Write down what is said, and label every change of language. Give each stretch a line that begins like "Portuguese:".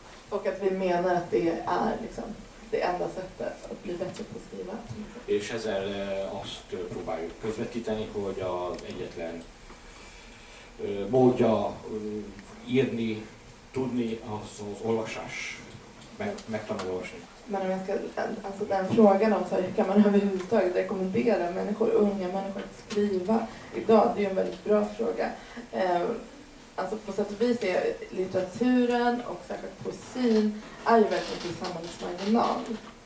Swedish: Och att vi menar att det är liksom det enda sättet att bli bättre på att skriva.
Hungarian: És ezzel azt próbáljuk közvetíteni, hogy az egyetlen módja írni, tudni, az olvasás, megtanul olvasni.
Swedish: Men om jag ska, alltså den frågan om, hur kan man överhuvudtaget rekommendera människor, unga människor, att skriva idag, det är ju en väldigt bra fråga. Alltså på sätt och vis är litteraturen och särskilt poesin är ju verkligen till samhällets marginal.